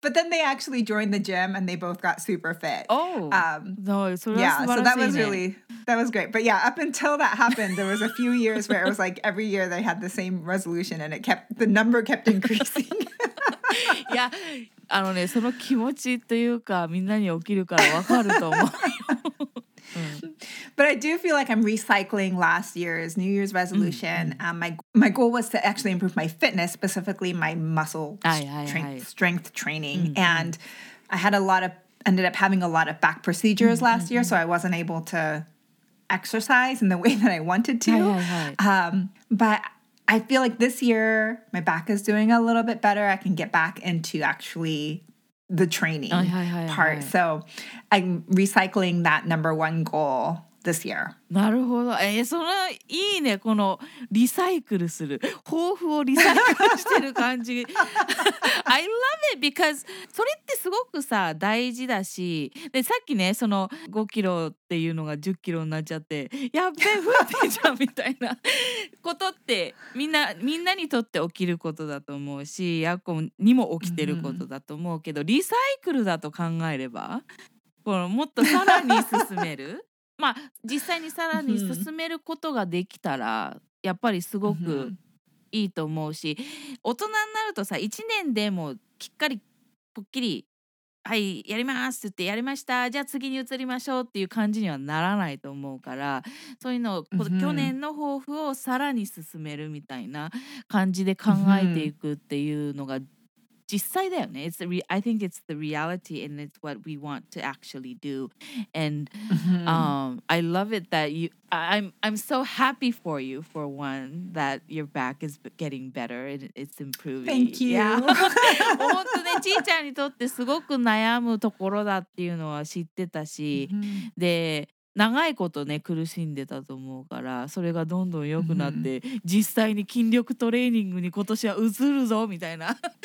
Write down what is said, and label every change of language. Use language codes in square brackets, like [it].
[en] they actually joined the gym and they both got super fit. So that was great. But yeah, up until that happened, there was a few years where it was like every year they had the same resolution and the number kept increasing. Yeah. [ja] あのね、その気持ちというかみんなに起きるから分かると思うよ。 [en] But I do feel like I'm recycling last year's New Year's resolution. My goal was to actually improve my fitness, specifically my muscle strength training. And I had ended up having a lot of back procedures last year, so I wasn't able to exercise in the way that I wanted to. But I feel like this year my back is doing a little bit better. I can get back into actually the training part. So I'm recycling that number one goal this year. [ja] なるほど。それいいね。このリサイクルする。抱負をリサイクルしてる感じ。 [en] I love it because [ja] それってすごくさ、大事だし。で、さっきね、その5キロっていうのが10キロになっちゃって、やっべ、増えてじゃんみたいなことってみんなにとって起きることだと思うし、ヤコにも起きてることだと思うけど、リサイクルだと考えれば、このもっとさらに進める。まあ、実際にさらに進めることができたらやっぱりすごくいいと思うし、大人になるとさ、1年でもきっかりぽっきりはいやりますって言ってやりました、じゃあ次に移りましょうっていう感じにはならないと思うから、そういうのを去年の抱負をさらに進めるみたいな感じで考えていくっていうのが実際だよね。 [en] I think it's the reality and it's what we want to actually do. And I love it that I'm so happy for you, for one, that your back is getting better and it's improving. Thank you. Yeah. [ja] 本当ね、ちーちゃんにとってすごく悩むところだっていうのは知ってたし、で、長いことね、苦しんでたと思うから、それがどんどん良くなって、実際に筋力トレーニングに今年は移るぞ、みたいな。